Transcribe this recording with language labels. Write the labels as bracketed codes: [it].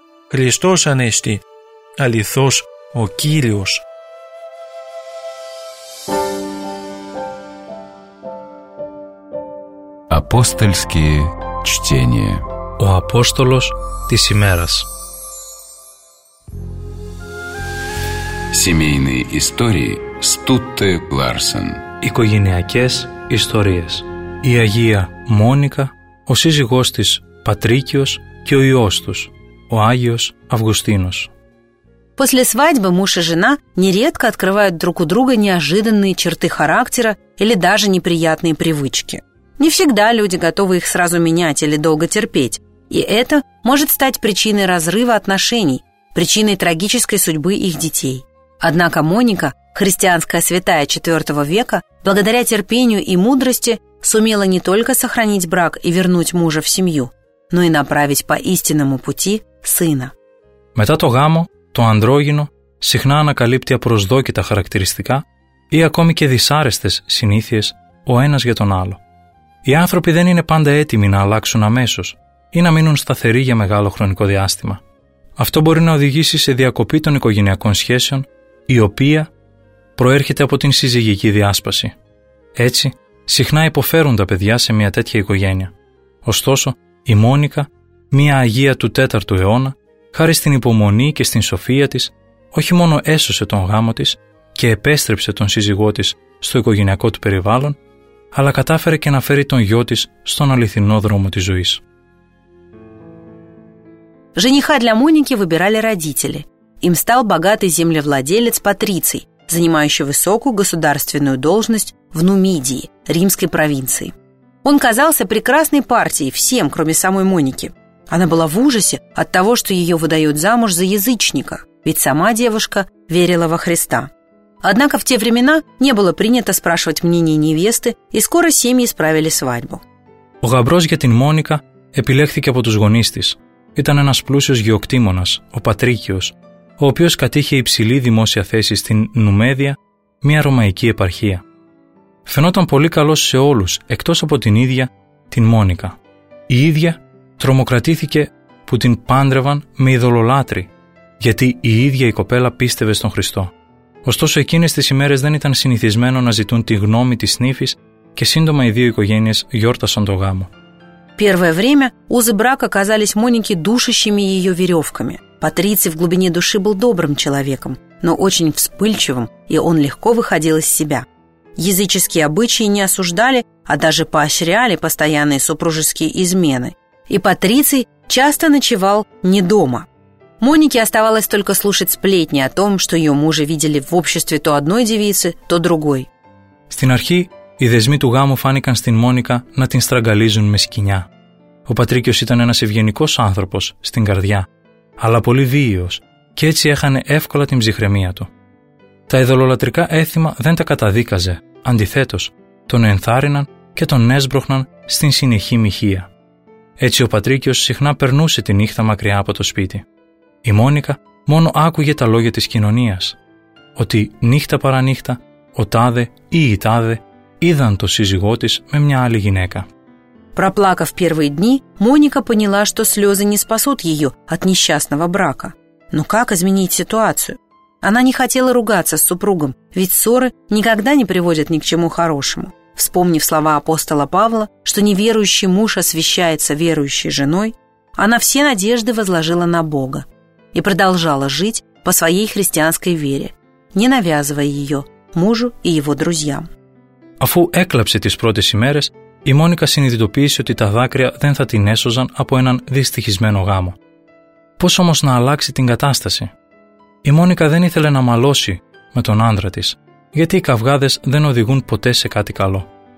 [el] Χριστός Ανέστη, αληθώς ο Κύριος. [ru] Апостольские чтения. [el] О апостолос της ημέρας. [ru] Семейные истории Стутте Ларсен. [el] Οικογενειακές ιστορίες. Η Αγία Μόνικα, ο σύζυγός της Πατρίκιος και ο υιός τους, ο Άγιος Αυγουστίνος. [ru] После свадьбы муж и жена нередко открывают друг у друга неожиданные черты характера или даже неприятные привычки. Не всегда люди готовы их сразу менять или долго терпеть, и это может стать причиной разрыва отношений, причиной трагической судьбы их детей. Однако Моника, христианская святая IV века, благодаря терпению и мудрости, сумела не только сохранить брак и вернуть мужа в семью, но и направить по истинному пути сына. [el] Μετά το γάμο, το ανδρόγυνο συχνά ανακαλύπτει απροσδόκητα χαρακτηριστικά ή ακόμη και δυσάρεστες συνήθειες ο ένας για τον άλλο. Οι άνθρωποι δεν είναι πάντα έτοιμοι να αλλάξουν αμέσως ή να μείνουν σταθεροί για μεγάλο χρονικό διάστημα. Αυτό μπορεί να οδηγήσει σε διακοπή των οικογενειακών σχέσεων, η οποία προέρχεται από την συζυγική διάσπαση. Έτσι, συχνά υποφέρουν τα παιδιά σε μια τέτοια οικογένεια. Ωστόσο, η Μόνικα, μια Αγία του 4ου αιώνα, χάρη στην υπομονή και στην σοφία της, όχι μόνο έσωσε τον γάμο της και επέστρεψε τον σύζυγό της στο οικογενειακό του περιβάλλον, αλλά κατάφερε και να φέρει τον γιο της στον αληθινό δρόμο της ζωής. [ru] Жениха для Моники выбирали родители. Им стал богатый землевладелец Патриций, занимающий высокую государственную должность в Нумидии, римской провинции. Он казался прекрасной партией всем, кроме самой Моники. Она была в ужасе от того, что ее выдают замуж за язычника, ведь сама девушка верила во Христа. Однако в те времена не было принято спрашивать мнение невесты, и скоро семьи справили свадьбу. [el] Ο γαμπρός για την Μόνικα επιλέχθηκε από τους γονείς της. Ήταν ένας πλούσιος γεωκτήμονας, ο Πατρίκιος, ο οποίος κατήχε υψηλή δημόσια θέση στην Νουμέδια, μια ρωμαϊκή επαρχία. Φαινόταν πολύ καλός σε όλους, εκτός από την ίδια, την Μόνικα. Η ίδια τρομοκρατήθηκε που την πάντρευαν με ειδωλολάτρη, γιατί η ίδια η κοπέλα πίστευε στον Χριστό. Ωστόσο, εκείνες τις ημέρες δεν ήταν συνηθισμένο να ζητούν τη γνώμη της νύφης και σύντομα οι δύο οικογένειες γιόρτασαν το γάμο. [ru] Первое время узы брака казались Монике душащими ее веревками. Патриций в глубине души был добрым человеком, но очень вспыльчивым, и он легко выходил из себя. Языческие обычаи не осуждали, а даже поощряли постоянные супружеские измены. И Патриций часто ночевал не дома. Монике оставалось только слушать сплетни о том, что ее мужа видели в обществе то одной девицы, то другой. [el] Στην αρχή οι δεσμοί του γάμου φάνηκαν στην Μόνικα να την στραγγαλίζουν με σκοινιά. Ο Πατρίκιος ήταν ένας ευγενικός άνθρωπος στην καρδιά, αλλά πολύ βίαιος και έτσι έχανε εύκολα την ψυχραιμία του. Τα ειδωλολατρικά έθιμα δεν τα καταδίκαζε, αντιθέτως, τον ενθάρρυναν και τον έσπρωχναν στην συνεχή μοιχεία. Έτσι ο Πατρίκιος συχνά περνούσε τη νύχτα μακριά από το σπίτι. Η Μόνικα μόνο άκουγε τα λόγια της κοινωνίας, ότι νύχτα παρανύχτα ο τάδε ή η τάδε είδαν το σύζυγό της με μια άλλη γυναίκα. [ru] Проплакав первые дни, Моника поняла, что слезы не спасут ее от несчастного брака. Но как изменить ситуацию? Она не хотела ругаться с супругом, ведь ссоры никогда не приводят ни к чему хорошему. Вспомнив слова апостола Павла, что неверующий муж освящается верующей женой, она все надежды возложила на Бога и продолжала жить по своей христианской вере, не навязывая ее мужу и его друзьям. [el] Αφού έκλαψε τις πρώτες ημέρες, η Μόνικα συνειδητοποίησε ότι τα δάκρυα δεν θα την έσωζαν από έναν δυστυχισμένο γάμο. Πώς όμως να αλλάξει την κατάσταση? Η Μόνικα δεν ήθελε να μαλώσει με τον άντρα της, γιατί οι καυγάδες δεν οδηγούν ποτέ σε κάτι καλό.